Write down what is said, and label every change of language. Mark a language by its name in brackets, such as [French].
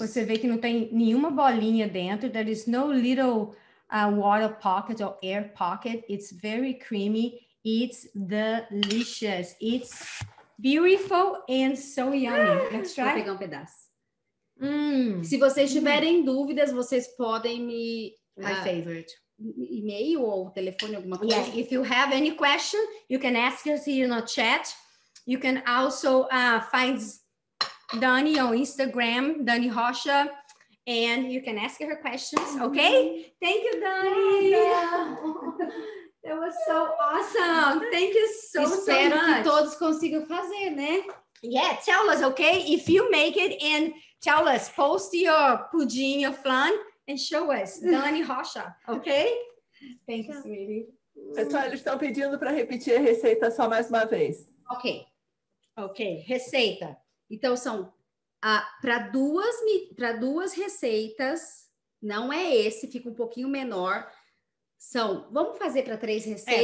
[Portuguese] Você vê que não tem nenhuma bolinha dentro. [English] There is no little water pocket or air pocket. It's very creamy. It's delicious. It's beautiful and so yummy. Let's try. [Portuguese] Vou pegar um pedaço. Se vocês tiverem dúvidas, vocês podem me... [English] My favorite. [Portuguese] E-mail ou telefone, alguma coisa. [English] Yeah, if you have any question, you can ask us here in the chat. You can also find Dani on Instagram, Dani Rocha, and you can ask her questions, okay? Mm-hmm. Thank you, Dani! That was so awesome! Thank you so, so much! [Portuguese] Espero que todos consigam fazer, né? [English] Yeah, tell us, okay? If you make it, and tell us, post your pudim, your flan, and show us, Dani Rocha, okay? Thank you, sweetie. [Portuguese] Pessoal, eles estão pedindo para repetir a receita só mais uma vez. Ok. Ok, receita. Então, são para duas receitas, não é esse, fica um pouquinho menor. São, vamos fazer para três receitas.